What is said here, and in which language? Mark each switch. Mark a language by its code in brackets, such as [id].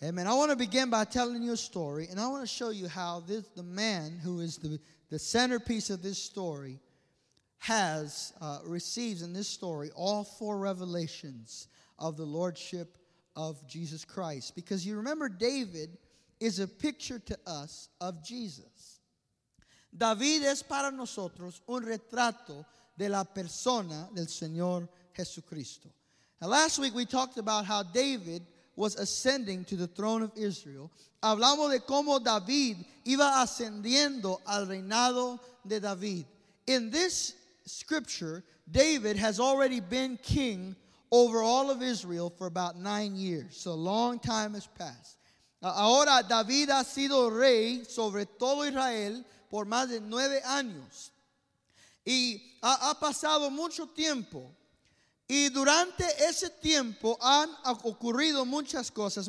[en] Amen. I want to begin by telling you a story, and I want to show you how this the man who is the centerpiece of this story has receives in this story all four revelations of the lordship of Jesus Christ. Because you remember, David is a picture to us of Jesus. [es] David es para nosotros un retrato de la persona del Señor Jesucristo. [en] Now, last week we talked about how David was ascending to the throne of Israel. [es] Hablamos de cómo David iba ascendiendo al reinado de David. [en] In this scripture, David has already been king over all of Israel for about 9 years. So a long time has passed. [es] Ahora David ha sido rey sobre todo Israel por más de 9 años. Y ha pasado mucho tiempo. Y durante ese tiempo han ocurrido muchas cosas.